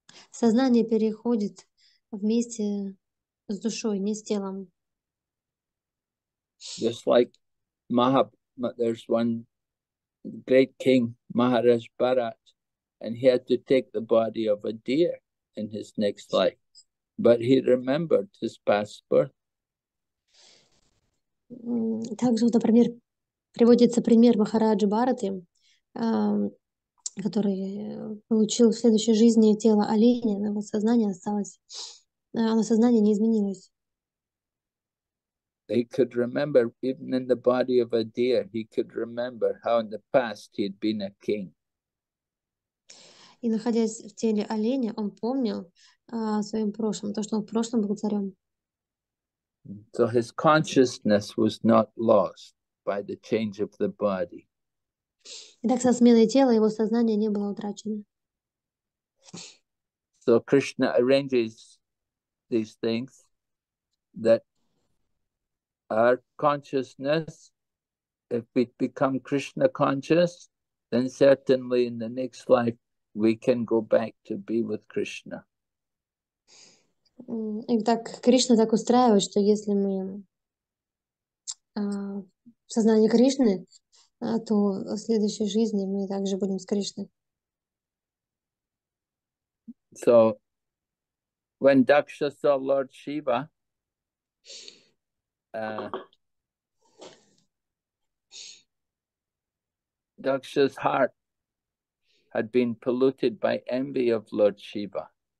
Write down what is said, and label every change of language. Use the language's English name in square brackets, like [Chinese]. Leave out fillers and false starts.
[Russian] Сознание переходит вместе с душой, не с телом. [English] Just like there's one great king, Maharaj Bharat, and he had to take the body of a deer in his next life. But he remembered his past birth. [Russian] Также, вот, например, приводится пример Махараджи Бхараты, который получил в следующей жизни тело оленя, но его сознание осталось, оно сознание не изменилось. [English] He could remember, even in the body of a deer, he could remember how in the past he had been a king. [Russian] И находясь в теле оленя, он помнил о своем прошлом, то, что он в прошлом был царем. [English] So his consciousness was not lost by the change of the body. [Russian] Итак, со сменой тела его сознание не было утрачено. [English] So Krishna arranges these things that our consciousness, if we become Krishna conscious, then certainly in the next life we can go back to be with Krishna. [Russian] Итак, Кришна так устраивает, что если мы в сознании Кришны, то в следующей жизни мы также будем с Кришной. [English] So, when Daksha saw Lord Shiva, Daksha's heart had been polluted by envy of Lord Shiva.